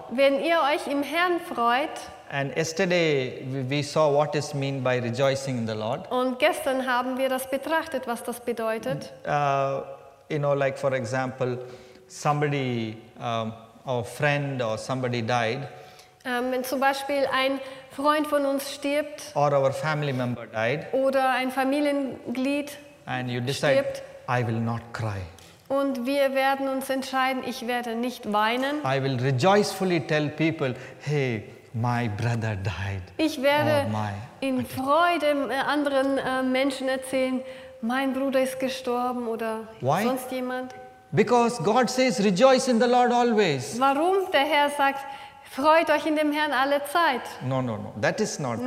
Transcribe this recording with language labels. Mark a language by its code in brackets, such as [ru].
[de] wenn ihr euch im Herrn freut, [en] and yesterday we saw what is mean by rejoicing in the Lord. [de] Und gestern haben wir das betrachtet, was das bedeutet. [en] You know, like for example, somebody. Or friend or somebody died. [de] Wenn zum Beispiel ein Freund von uns stirbt. [en] Or our family member died. [de] Oder ein Familienglied. [en] And you decide, I will not cry. [de] Und wir werden uns entscheiden, ich werde nicht weinen. [en] I will rejoicefully tell people, hey, my brother died. [de] Ich werde in Freude anderen Menschen erzählen, mein Bruder ist gestorben oder [en] why? [de] Sonst jemand. [en] Because God says, rejoice in the Lord always. [de] Warum der Herr sagt, freut euch in dem Herrn alle Zeit. [en] No, that is not right.